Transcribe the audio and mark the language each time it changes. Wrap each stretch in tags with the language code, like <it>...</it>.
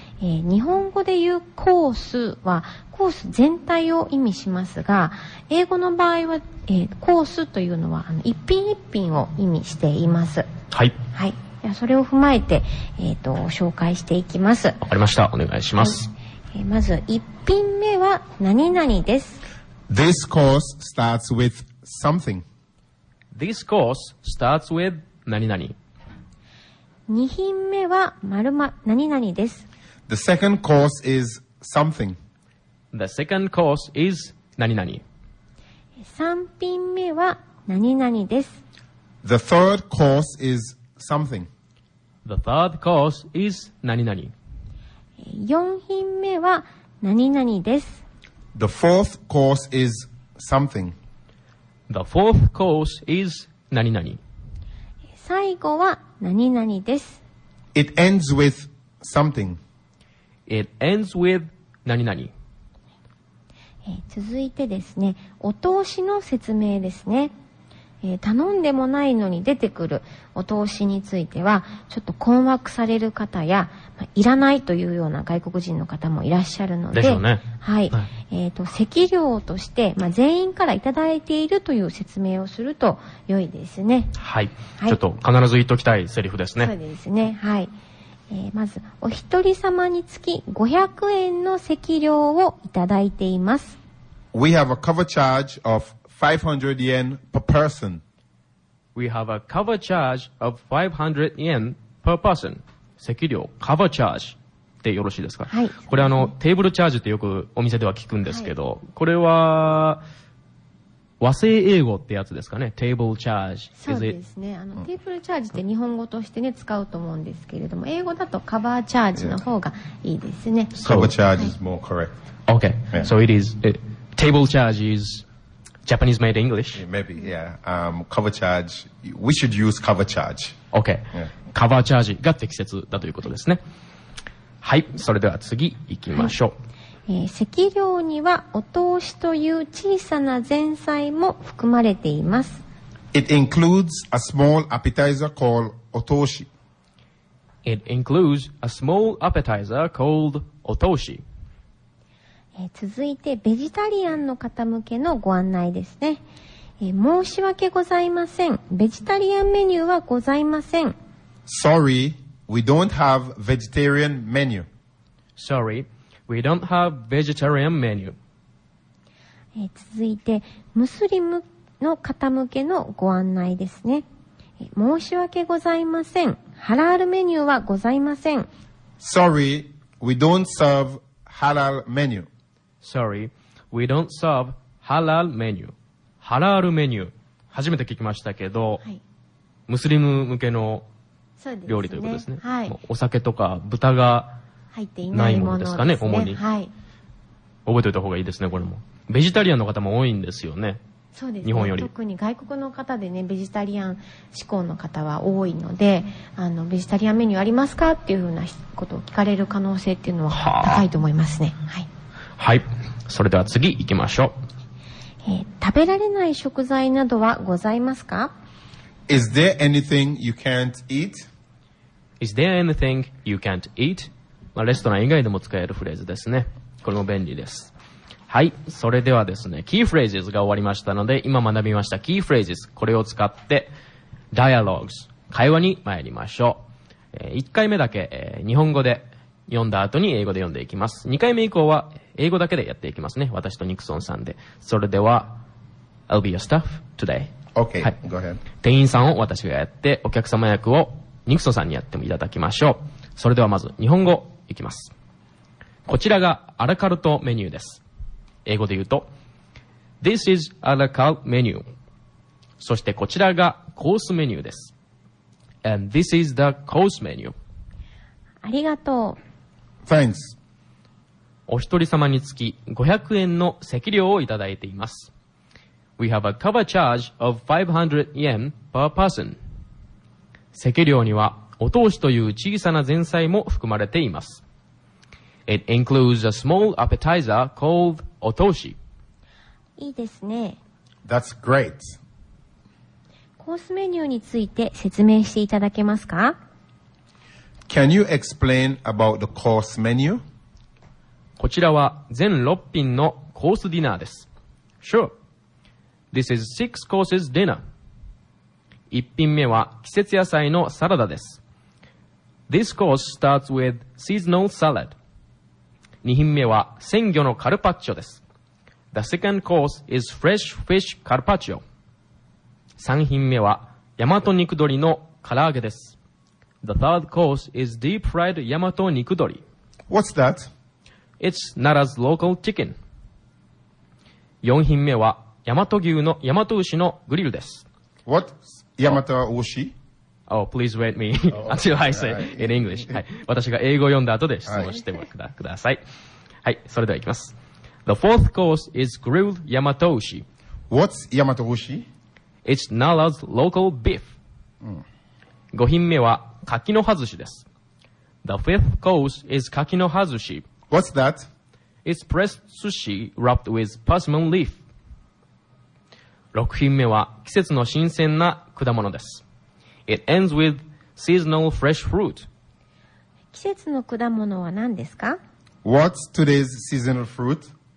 <ja>日本語で言うコースはコース全体を意味しますが、英語の場合は、コースというのは一品一品を意味しています。はい、はい、それを踏まえて、紹介していきます。わかりました、お願いします。はい、まず一品目は何々です。</ja> <en>This course starts with something. This course starts with 何々。</en> <ja>2品目は何々です。</ja> <en>The second course is something. The second course is 何々。</en> <ja>3品目は何々です。</ja> <en>The third course is something. The third course is 何々。</en> <ja>4品目は何々です。</ja> <en>The fourth course is something. The fourth course is 何々。</en> <ja>最後は何々です。</ja> <en>It ends with something. It ends with 何々。</en> <ja>続いてですね、お通しの説明ですね。頼んでもないのに出てくるお通しについては、ちょっと困惑される方や、まあ、いらないというような外国人の方もいらっしゃるので、でしょうね。はい、はい、席料として、まあ、全員からいただいているという説明をすると良いですね。はい、はい、ちょっと必ず言っときたいセリフですね。そうですね、はい、まずお一人様につき500円の席料をいただいています。</ja> <en>We have a cover charge of 500 yen per person. We have a cover charge of 500 yen per person.</en> <ja>席料、カバーチャージでよろしいですか。はい、これテーブルチャージってよくお店では聞くんですけど、はい、これは和製英語ってやつですかね。テーブルチャージ。そうですね。テーブルチャージって日本語としてね、使うと思うんですけれども、英語だとカバーチャージの方がいいですね。</ja> <en>カバーチャージ is more correct. Okay. So it is, table charge is Japanese made English? Maybe, yeah. Cover charge, we should use cover charge. Okay.</en> <ja>カバーチャージが適切だということですね。はい、それでは次行きましょう。はい、席料にはお通しという小さな前菜も含まれています。</ja> <en>It includes a small appetizer called</en> <ja>お通し。</ja> <en>It includes a small appetizer called お通し。</en> <ja>続いてベジタリアンの方向けのご案内ですね。申し訳ございません。ベジタリアンメニューはございません。</ja> <en>Sorry, we don't have vegetarian menu. Sorry, we don't have vegetarian menu.</en> <ja>続いてムスリムの方向けのご案内ですね。申し訳ございません。ハラールメニューはございません。</ja> <en>Sorry, we don't serve halal menu. Sorry, we don't serve halal menu.</en> <ja>ハラールメニュー。初めて聞きましたけど、はい、ムスリム向けの料理ということですね。そうですね。はい、お酒とか豚が入っていないものですかね、主に、はい。覚えておいた方がいいですね、これも。ベジタリアンの方も多いんですよね。そうですね、日本より特に外国の方でね、ベジタリアン志向の方は多いので、ベジタリアンメニューありますかっていうふうなことを聞かれる可能性っていうのは高いと思いますね。はい、はい、それでは次行きましょう。食べられない食材などはございますか。</ja> <en>Is there anything you can't eat? Is there anything you can't eat?</en> <ja>まあ、レストラン以外でも使えるフレーズですね。これも便利です。はい、それではですね、キーフレーズが終わりましたので、今学びましたキーフレーズ、これを使ってダイアログス、会話に参りましょう。 1回目だけ、日本語で読んだ後に英語で読んでいきます。 2回目以降は英語だけでやっていきますね、私とニクソンさんで。それでは</ja> <en>I'll be your staff today. OK、はい、Go ahead.</en> <ja>店員さんを私がやって、お客様役をニクソンさんにやってもいただきましょう。それではまず日本語いきます。こちらがアラカルトメニューです。英語で言うと</ja> <en>This is a la carte menu。</en> <ja>そしてこちらがコースメニューです。</ja> <en>And this is the course menu。</en> <ja>ありがとう。</ja> <en>Thanks。</en> <ja>お一人様につき500円の席料をいただいています。</ja> <en>We have a cover charge of 500 yen per person。</en> <ja>席料にはお通しという小さな前菜も含まれています。</ja> <en>It includes a small appetizer calledお通し。</en> <ja>いいですね。</ja> <en>That's great。</en> <ja>コースメニューについて説明していただけますか。</ja> <en>Can you explain about the course menu?</en> <ja>こちらは全6品のコースディナーです。</ja> <en>Sure, this is 6 courses dinner。</en> <ja>1品目は季節野菜のサラダです。</ja> <en>This course starts with seasonal salad。</en> <ja>2品目は鮮魚のカルパッチョです。</ja> <en>The second course is fresh fish carpaccio。</en> <ja>3品目は大和肉鶏の唐揚げです。</ja> <en>The third course is deep fried 大和肉鶏。 What's that? It's Nara's local chicken。</en> <ja>4品目は大和牛のグリルです。</ja> <en>What's 大和牛? Oh. Oh, please wait me until I say in English.</en> <ja>はい、私が英語を読んだ後で質問してください。はい、それでは行きます。</ja> <en>The fourth course is grilled Yamato Ushi. What's Yamato Ushi? It's Nara's local beef.</en> <ja>5品目は柿の葉寿司です。</ja> <en>The fifth course is 柿の葉寿司。 What's that? It's pressed sushi wrapped with persimmon leaf.</en> <ja>6品目は季節の新鮮な果物です。</ja> <en>It ends with seasonal fresh fruit.</en> <ja>季節の果物は何ですか?</ja> <en>What's today's seasonal fruit?</en>